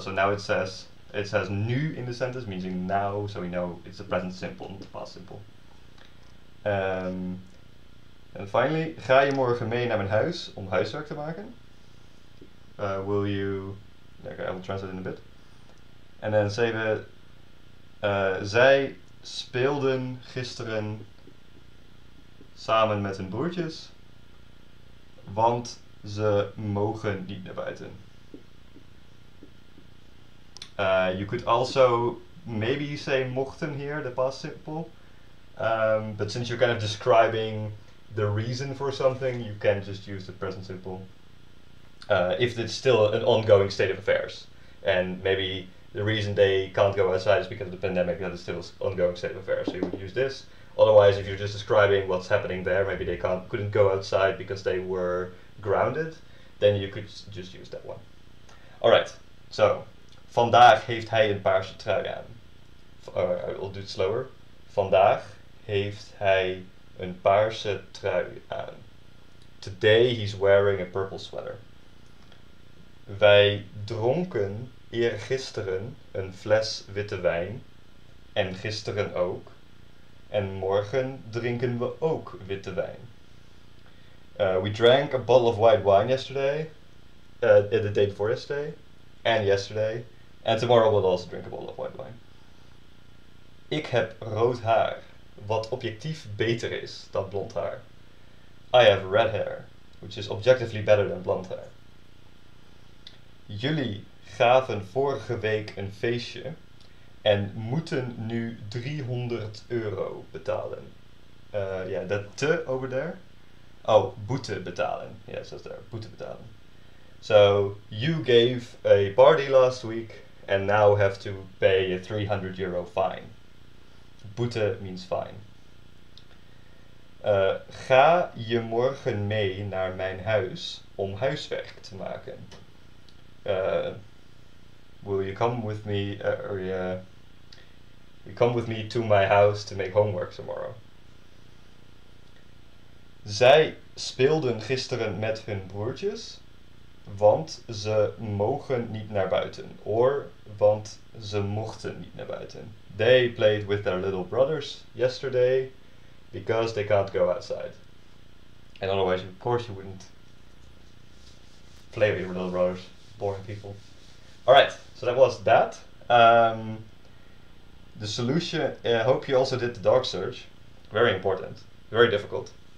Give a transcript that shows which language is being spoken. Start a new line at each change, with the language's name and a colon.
English: So now it says nu in the sentence, meaning now, so we know it's a present simple, not a past simple. And finally,
Dutch: ga je morgen mee naar mijn huis om huiswerk te maken?
English: Will you? Okay, I will translate in a bit.
Dutch: En dan zeiden we, zij speelden gisteren samen met hun broertjes, want ze mogen niet naar buiten.
English: You could also maybe say mochten here, the past simple. But since you're kind of describing the reason for something, you can just use the present simple. If it's still an ongoing state of affairs. And maybe the reason they can't go outside is because of the pandemic, that is still an ongoing state of affairs. So you would use this. Otherwise, if you're just describing what's happening there, maybe they couldn't go outside because they were grounded, then you could just use that one. Alright, so,
Dutch: vandaag heeft hij een paarse trui aan.
English: I'll do it slower.
Dutch: Vandaag heeft hij een paarse trui aan.
English: Today he's wearing a purple sweater.
Dutch: Wij dronken eergisteren een fles witte wijn. En gisteren ook. En morgen drinken we ook witte wijn.
English: We drank a bottle of white wine yesterday, the day before yesterday, and yesterday, and tomorrow we'll also drink a bottle of white wine.
Dutch: Ik heb rood haar, wat objectief beter is dan blond haar.
English: I have red hair, which is objectively better than blond hair.
Dutch: Jullie gaven vorige week een feestje en moeten nu €300 betalen.
English: That te over there. Oh, boete betalen. Yes, that's there.
Dutch: Boete betalen.
English: So, you gave a party last week and now have to pay a €300 fine. Boete means fine.
Dutch: Ga je morgen mee naar mijn huis om huiswerk te maken?
English: Will you come with me? You come with me to my house to make homework tomorrow.
Dutch: Zij speelden gisteren met hun broertjes, want ze mogen niet naar buiten. Or, want ze mochten niet naar buiten.
English: They played with their little brothers yesterday, because they can't go outside. And otherwise, of course, you wouldn't play with your little brothers. Boring people. Alright, so that was that. The solution, I hope you also did the dog search. Very important. Very difficult.